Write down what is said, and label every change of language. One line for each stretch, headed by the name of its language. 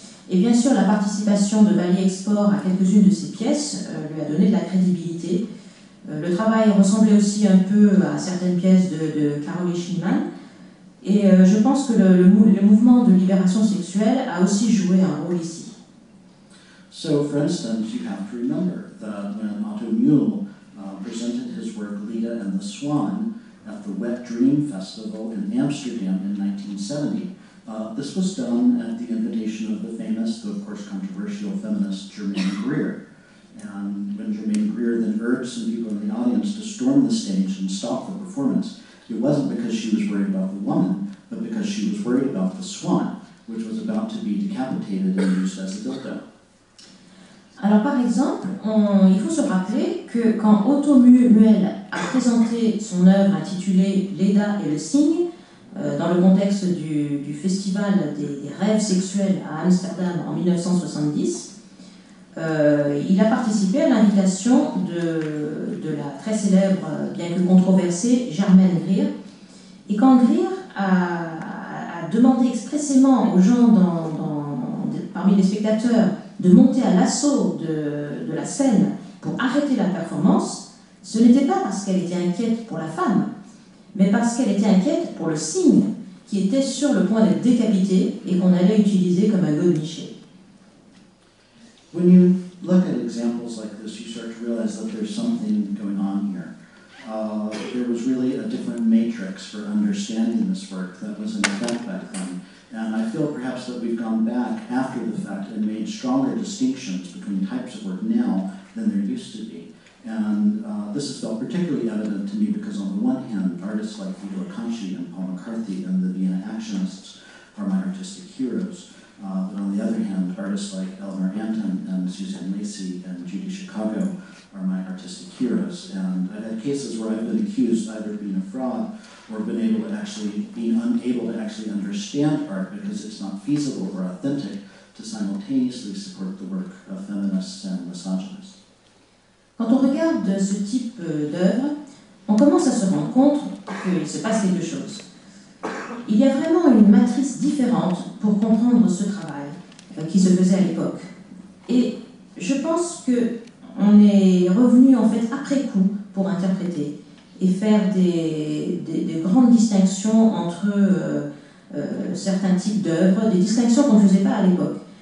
French: Et bien sûr, la participation de Valier Export à quelques-unes de ses pièces lui a donné de la crédibilité. Le travail ressemblait aussi un peu à certaines pièces de Carole Schliemann. Et je pense que le mouvement de libération sexuelle a aussi joué un rôle ici.
English: So, for instance, you have to remember that when Otto Muhl presented his work Leda and the Swan at the Wet Dream Festival in Amsterdam in 1970, this was done at the invitation of the famous, though of course controversial, feminist Germaine Greer. And when Germaine Greer then urged some people in the audience to storm the stage and stop the performance, it wasn't because she was worried about the woman, but because she was worried about the swan, which was about to be decapitated and used as a dildo.
French: Alors par exemple, il faut se rappeler que quand Otto Muhl a présenté son œuvre intitulée Leda et le cygne, dans le contexte du festival des rêves sexuels à Amsterdam en 1970, il a participé à l'invitation de la très célèbre, bien que controversée, Germaine Greer. Et quand Greer a demandé expressément aux gens parmi les spectateurs de monter à l'assaut de la scène pour arrêter la performance, ce n'était pas parce qu'elle était inquiète pour la femme, mais parce qu'elle était inquiète pour le cygne qui était sur le point d'être décapité et qu'on allait utiliser comme un godemiché.
English: When you look at examples like this, you start to realize that there's something going on here. There was really a different matrix for understanding this work that was in effect back then. And I feel perhaps that we've gone back after the fact and made stronger distinctions between types of work now than there used to be. And this is felt particularly evident to me because on the one hand, artists like Theodore Kanchi and Paul McCarthy and the Vienna Actionists are my artistic heroes. But on the other hand, artists like Eleanor Anton and Suzanne Lacy and Judy Chicago are my artistic heroes. And I've had cases where I've been accused either of being a fraud or being unable to actually understand art because it's not feasible or authentic to simultaneously support the work of feminists and misogynists.
French: Quand on regarde ce type d'œuvre, on commence à se rendre compte qu'il se passe quelque chose. Il y a vraiment une matrice différente pour comprendre ce travail qui se faisait à l'époque. Et je pense qu'on est revenu en fait après coup pour interpréter et faire des grandes distinctions entre certains types d'œuvres, des distinctions qu'on ne faisait pas à l'époque.